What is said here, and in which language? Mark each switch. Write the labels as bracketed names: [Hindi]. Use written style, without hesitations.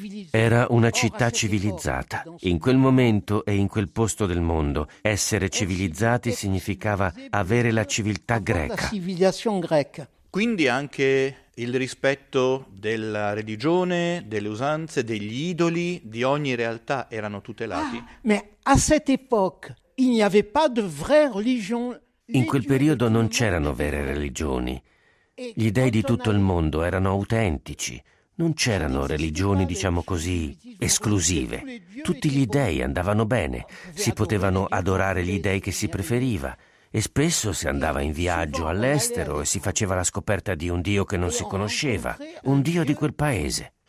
[Italian] Era una città civilizzata. In quel momento e in quel posto del mondo, essere civilizzati significava avere la civiltà greca. Quindi anche il rispetto della religione, delle usanze, degli idoli, di ogni realtà erano tutelati. [French] Ma a cette époque, il n'y avait pas de vraie religion. [Italian] In quel periodo non c'erano vere religioni. Gli dèi di tutto il mondo erano autentici. Non c'erano religioni, diciamo così, esclusive. Tutti gli dèi andavano bene. Si potevano adorare gli dèi che si preferiva. E spesso si andava in viaggio all'estero e si faceva la scoperta di un dio che non si conosceva, un dio di quel paese.